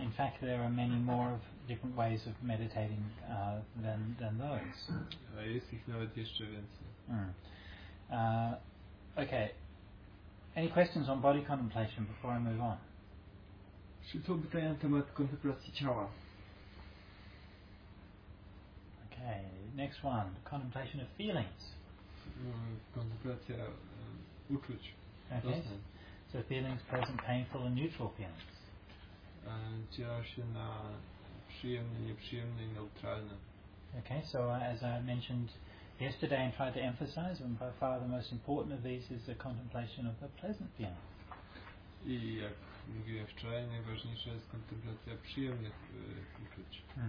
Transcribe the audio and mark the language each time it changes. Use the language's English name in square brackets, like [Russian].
[English] In fact, there are many more of different ways of meditating than those. [Polish] Jest ich nawet jeszcze więcej. [English] Okay. Any questions on body contemplation before I move on? [Polish] Czy są pytania na temat kontemplacji ciała? [English] Okay. Next one. Contemplation of feelings. [Polish] Kontemplacja uczuć. [English] Okay. So feelings, present, painful, and neutral feelings. [Polish] działa się na przyjemne, nieprzyjemne i neutralne. [English] Okay, so as I mentioned yesterday and tried to emphasize, and by far the most important of these is the contemplation of the pleasant feeling. [Polish] I jak mówiłem wczoraj, najważniejsza jest kontemplacja przyjemnych uczuć.